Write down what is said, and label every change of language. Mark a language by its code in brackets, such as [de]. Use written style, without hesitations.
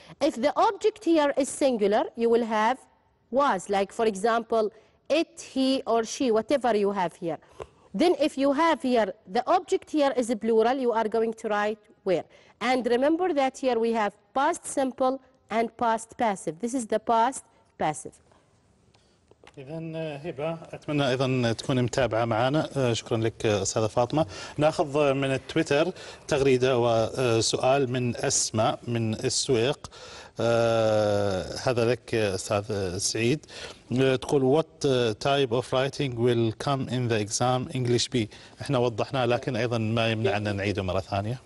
[en] If the object here is singular, you will have was, like for example, it, he, or she, whatever you have here. Then if you have here, the object here is a plural, you are going to write where. And remember that here we have past simple and past passive. This is the past passive. [ar] إذن هبة أتمنى أيضا تكون متابعة معنا. شكرا لك أستاذة فاطمة. نأخذ من التويتر تغريدة وسؤال من أسماء من السويق. هذا لك أستاذ سعيد. تقول [en] what type of writing will come in the exam English B. [ar] إحنا وضحنا لكن أيضا ما يمنعنا نعيده مرة ثانية.